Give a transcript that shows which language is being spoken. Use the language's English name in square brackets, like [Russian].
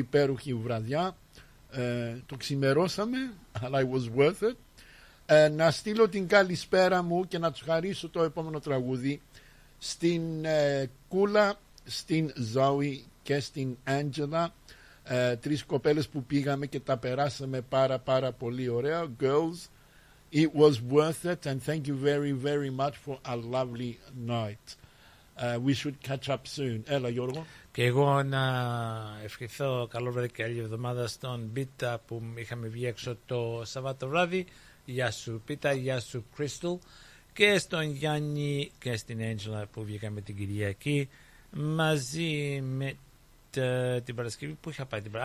[Greek] Υπέροχη βραδιά. Το ξημερώσαμε, αλλά [English] it was worth it. [Greek] Να στείλω την καλησπέρα μου και να τσουχαρίσω το επόμενο τραγούδι στην Κούλα, στην Ζόη και στην Άντζελα, τρεις κοπέλες που πήγαμε και τα περάσαμε πάρα πάρα πολύ ωραία. [English] Girls, it was worth it and thank you very very much for a lovely night. We should catch up soon. [Greek] Έλα Γιώργο. Και εγώ να ευχηθώ καλό βράδυ και άλλη εβδομάδα στον Μπίτα που είχαμε βγει έξω το Σαββάτο βράδυ. Γεια σου Πίτα, γεια σου Κρίστολ, και στον Γιάννη και στην Έντζελα που βγήκαμε την Κυριακή μαζί με την Παρασκευή που είχα πάει.